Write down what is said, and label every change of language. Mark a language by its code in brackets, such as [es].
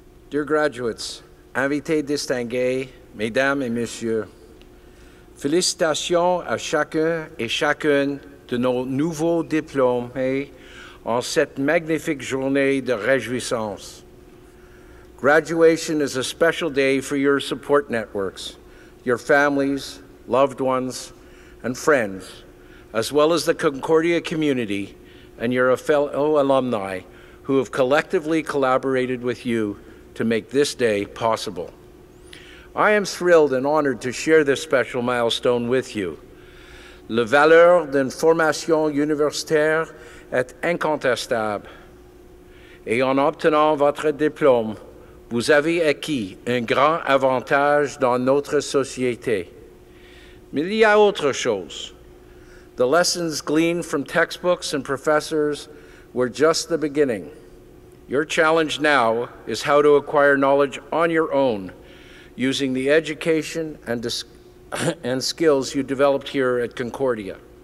[en] Dear graduates, [fr] invités distingués, mesdames et messieurs, félicitations à chacun et chacune de nos nouveaux diplômés en cette magnifique journée de réjouissance. [en] Graduation is a special day for your support networks, your families, loved ones, and friends, as well as the Concordia community and your fellow alumni who have collectively collaborated with you to make this day possible. I am thrilled and honored to share this special milestone with you. [fr] La valeur d'une formation universitaire est incontestable. Et en obtenant votre diplôme, vous avez acquis un grand avantage dans notre société. Mais il y a autre chose. [en] The lessons gleaned from textbooks and professors were just the beginning. Your challenge now is how to acquire knowledge on your own, using the education and skills you developed here at Concordia.